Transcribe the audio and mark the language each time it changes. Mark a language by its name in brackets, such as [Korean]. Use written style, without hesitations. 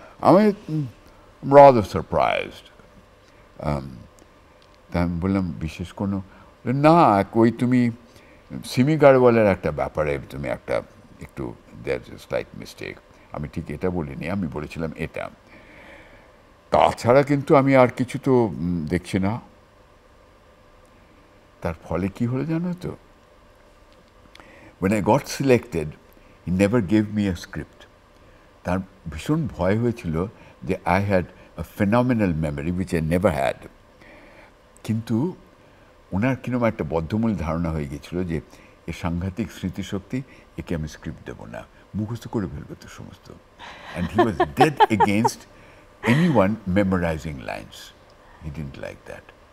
[Bangla] আমি rather surprised, তা আমি বললাম বিশেষ কোনো না, ওই তুমি সিমি গাড়ওয়ালের একটা ব্যাপারে তুমি একটা একটু [English] that is like mistake, [Bangla] আমি ঠিক এটা বলিনি, আমি বলেছিলাম এটা, তাছাড়া কিন্তু আমি আর কিছু তো দেখছি না। তার ফলে কী হলো জানো তো, [English] When I got selected, he never gave me a script. [Bangla] তার ভীষণ ভয় হয়েছিল যে [English] I had a phenomenal memory which I never had. [Bangla] কিন্তু ওনার কিরকম একটা বদ্ধমূল ধারণা হয়ে গেছিলো যে এ সাংঘাতিক স্মৃতিশক্তি, একে আমি স্ক্রিপ্ট দেবো না, মুখস্থ করে ফেলবো তো সমস্ত। [English] And he was dead against anyone memorising lines, he didn't like that.